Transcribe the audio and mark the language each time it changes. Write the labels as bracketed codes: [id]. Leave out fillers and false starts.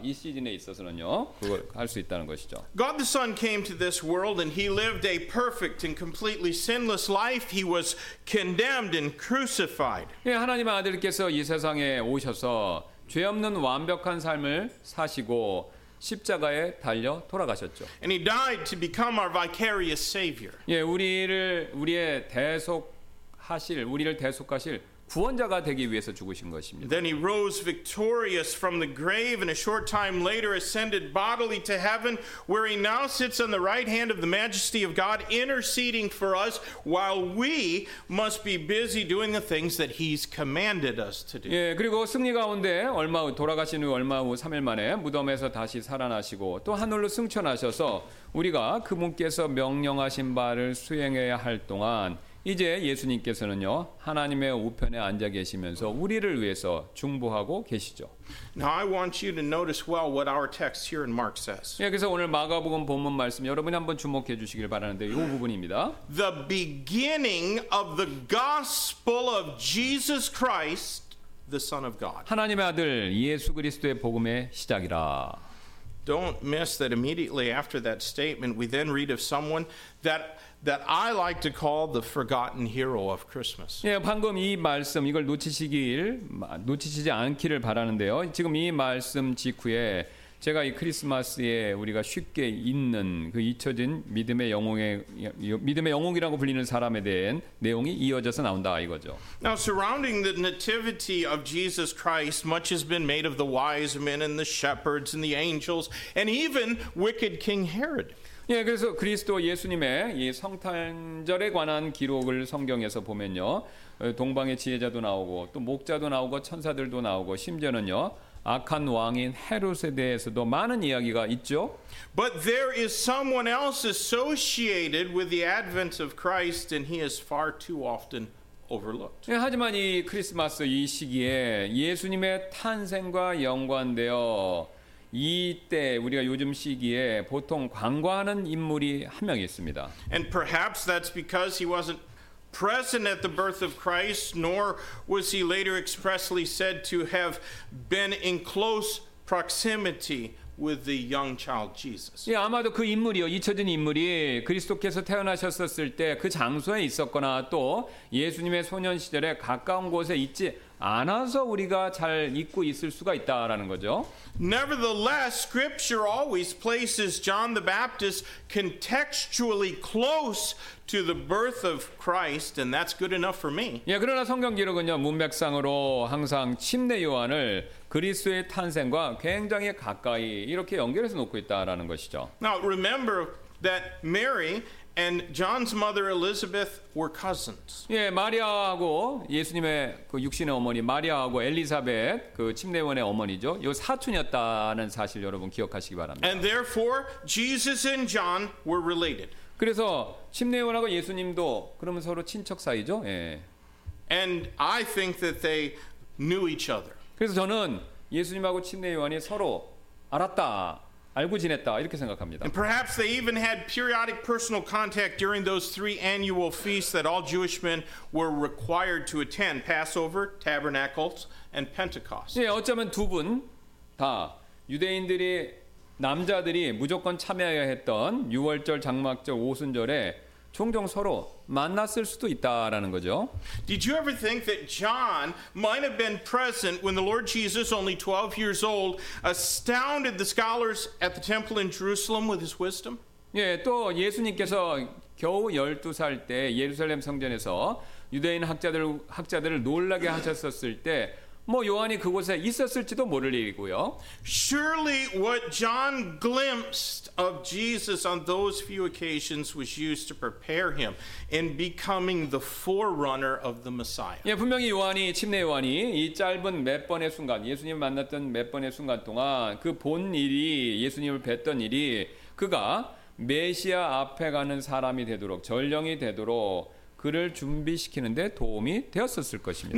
[ko] 이 시즌에 있어서는요. 그걸 할 수 있다는 것이죠. [en] God the Son came to this world and he lived a perfect and completely sinless life. He was condemned and crucified. [ko] 예, 하나님 아들께서 이 세상에 오셔서 죄 없는 완벽한 삶을 사시고 십자가에 달려 돌아가셨죠. [en] And he died to become our vicarious savior. [ko] 예, 우리의 대속하실 우리를 대속하실 구원자가 되기 위해서 죽으신 것입니다. [en] Then he rose victorious from the grave and a short time later ascended bodily to heaven where he now sits on the right hand of the majesty of God interceding for us while we must be busy doing the things that he's commanded us to do. [ko] 예, 그리고 승리 가운데 얼마 후 돌아가신 후 얼마 후 3일 만에 무덤에서 다시 살아나시고 또 하늘로 승천하셔서 우리가 그분께서 명령하신 바를 수행해야 할 동안 이제 예수님께서는요 하나님의 우편에 앉아 계시면서 우리를 위해서 중보하고 계시죠. [en] Now I want you to notice well what our text here in Mark says. [ko] 예, 그래서 오늘 마가복음 본문 말씀 여러분이 한번 주목해 주시길 바라는데 이 부분입니다. [en] The beginning of the gospel of Jesus Christ, the Son of God. [ko] 하나님의 아들 예수 그리스도의 복음의 시작이라. [en] Don't miss that immediately after that statement we then read of someone that I like to call the forgotten hero of Christmas. [ko] 예, 방금 이 말씀 이걸 놓치시지 않기를 바라는데요. 지금 이 말씀 직후에 제가 이 크리스마스에 우리가 쉽게 잊는 그 잊혀진 믿음의 영웅이라고 불리는 사람에 대한 내용이 이어져서 나온다 이거죠. [en] Now surrounding the nativity of Jesus Christ, much has been made of the wise men and the shepherds and the angels and even wicked King Herod. [ko] 예, 그래서 그리스도 예수님의 이 성탄절에 관한 기록을 성경에서 보면요, 동방의 지혜자도 나오고 또 목자도 나오고 천사들도 나오고 심지어는요 악한 왕인 헤롯에 대해서도 많은 이야기가 있죠. [en] But there is someone else associated with the advent of Christ, and he is far too often overlooked. [ko] 예, 하지만 이 크리스마스 이 시기에 예수님의 탄생과 연관되어 이때 우리가 요즘 시기에 보통 관과하는 인물이 한 명 있습니다. [en] And perhaps that's because he wasn't present at the birth of Christ, nor was he later expressly said to have been in close proximity with the young child Jesus. [ko] 예, 아마도 그 인물이요, 잊혀진 인물이 그리스도께서 태어나셨었을 때 그 장소에 있었거나 또 예수님의 소년 시절에 가까운 곳에 있지 않아서 우리가 잘 잊고 있을 수가 있다라는 거죠. [en] Nevertheless, Scripture always places John the Baptist contextually close to the birth of Christ, and that's good enough for me. [ko] 예, 그러나 성경 기록은요 문맥상으로 항상 침례 요한을 그리스도의 탄생과 굉장히 가까이 이렇게 연결해서 놓고 있다라는 것이죠. [en] Now remember that Mary and John's mother Elizabeth were cousins. [ko] 예, 마리아하고 예수님의 그 육신의 어머니 마리아하고 엘리사벳 그 침례원의 어머니죠. 요 사촌이었다는 사실 여러분 기억하시기 바랍니다. [en] And therefore Jesus and John were related. [ko] 그래서 침례원하고 예수님도 그러면 서로 친척 사이죠. 예. [en] And I think that they knew each other. [ko] 그래서 저는 예수님하고 침례요한이 서로 알았다, 알고 지냈다 이렇게 생각합니다. [en] And perhaps they even had periodic personal contact during those three annual feasts that all Jewish men were required to attend: Passover, Tabernacles, and Pentecost. [ko] 예, 어쩌면 두 분 다 유대인들이 남자들이 무조건 참여해야 했던 유월절, 장막절, 오순절에 종종 서로 만났을 수도 있다라는 거죠. [en] Did you ever think that John might have been present when the Lord Jesus, only 12 years old, astounded the scholars at the temple in Jerusalem with his wisdom? [ko] 예, 또 예수님께서 겨우 12살 때 예루살렘 성전에서 유대인 학자들을 놀라게 하셨었을 때 뭐 요한이 그곳에 있었을지도 모를 일이고요. [en] Surely what John glimpsed of Jesus on those few occasions was used to prepare him in becoming the forerunner of the Messiah. [ko] 예, 분명히 요한이 침례 요한이 이 짧은 몇 번의 순간 예수님을 만났던 몇 번의 순간 동안 그 본 일이 예수님을 뵀던 일이 그가 메시아 앞에 가는 사람이 되도록 전령이 되도록 그를 준비시키는 데 도움이 되었었을 것입니다.